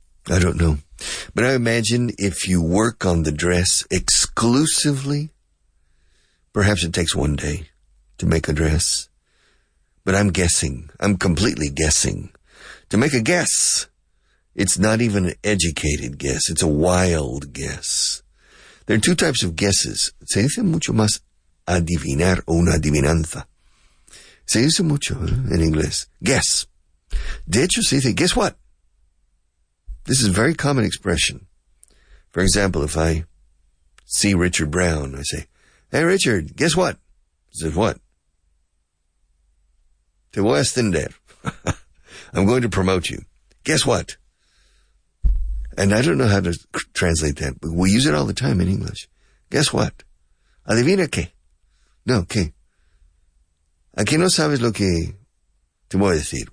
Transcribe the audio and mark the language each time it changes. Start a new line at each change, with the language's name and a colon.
English: I don't know. But I imagine if you work on the dress exclusively, perhaps it takes one day to make a dress. But I'm guessing. I'm completely guessing. To make a guess, it's not even an educated guess. It's a wild guess. There are two types of guesses.
Spanish: Se dice mucho más adivinar o una adivinanza. Se dice mucho en inglés. Guess. De hecho, se dice,
English: guess what? This is a very common expression. For example, if I see Richard Brown, I say, hey, Richard, guess what? He says, what?
Spanish: Te voy a ascender.
English: I'm going to promote you. Guess what? And I don't know how to translate that, but we use it all the time in English. Guess what?
Spanish: Adivina qué? No, qué? Aquí no sabes lo que te voy a decir.